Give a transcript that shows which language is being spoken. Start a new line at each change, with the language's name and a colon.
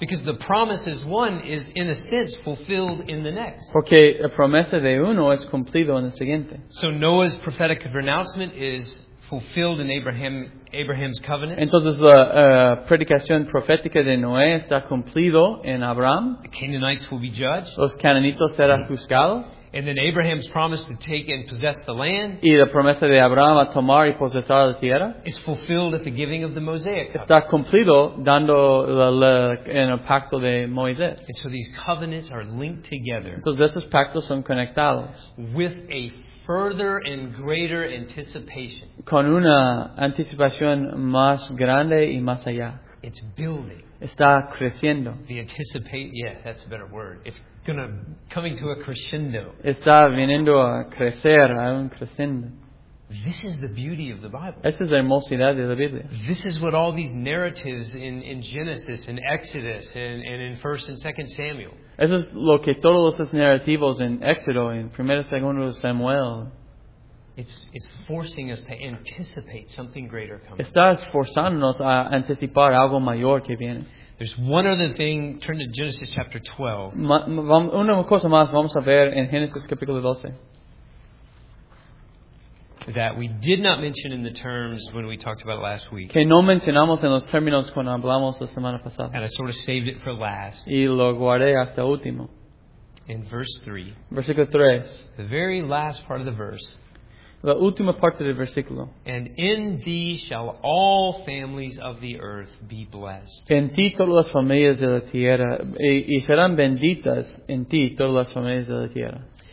English: Because the promise is one is in a sense fulfilled in the next.
Spanish: Porque la promesa de uno es cumplido en el siguiente.
English: So Noah's prophetic pronouncement is fulfilled in Abraham's covenant.
Spanish: Entonces la predicación profética de Noé está cumplido en Abraham.
English: The Canaanites will be judged.
Spanish: Los cananitos serán juzgados.
English: And then Abraham's promise to take and possess the land.
Spanish: Y la promesa de Abraham a tomar y posesar la tierra.
English: Is fulfilled at the giving of the Mosaic.
Spanish: Está cumplido dando la en el pacto de Moisés.
English: And so these covenants are linked together.
Spanish: Entonces esos pactos son conectados.
English: With a further and greater anticipation.
Spanish: Con una anticipación más grande y más allá.
English: It's building.
Spanish: Está creciendo.
English: The anticipate, yeah, that's a better word. It's gonna coming to a crescendo.
Spanish: Está viniendo a crecer, a un crescendo.
English: This is the beauty of the Bible.
Spanish: Esta es la hermosidad de la Biblia.
English: This is what all these narratives in Genesis and Exodus and in 1st and 2nd Samuel.
Spanish: Eso es lo que todos estos narrativos en Éxodo, en 1 y 2 Samuel.
English: It's forcing us to anticipate something greater coming.
Spanish: Está esforzándonos a anticipar algo mayor que viene.
English: There's one other thing. Turn to Genesis chapter 12.
Spanish: Una cosa más. Vamos a ver en Génesis capítulo 12.
English: That we did not mention in the terms when we talked about it last week.
Spanish: Que no mencionamos en los términos cuando hablamos la semana pasada.
English: And I sort of saved it for last.
Spanish: Y lo guardé hasta último.
English: In verse 3.
Spanish: Versículo 3.
English: The very last part of the verse.
Spanish: La última parte del versículo.
English: And in thee shall all families of the earth be blessed.
Spanish: En ti todas las familias de la tierra. Y serán benditas en ti todas las familias de la tierra.